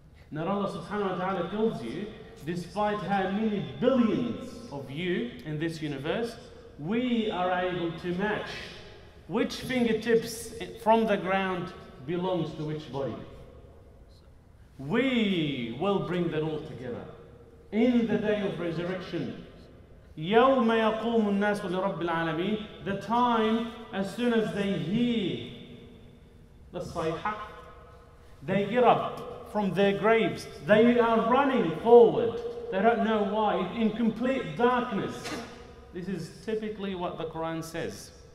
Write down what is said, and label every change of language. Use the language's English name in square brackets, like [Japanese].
[English] Now Allah subhanahu wa ta'ala tells you, despite how many billions of you in this universe, we are able to match which fingertips from the ground belongs to which body. We will bring that all together in the day of resurrection. [Arabic] يوم يقوم الناس لرب العالمين. [English] The time, as soon as they hear the sayha, they get up from their graves. They are running forward. They don't know why. In complete darkness. This is typically what the Quran says.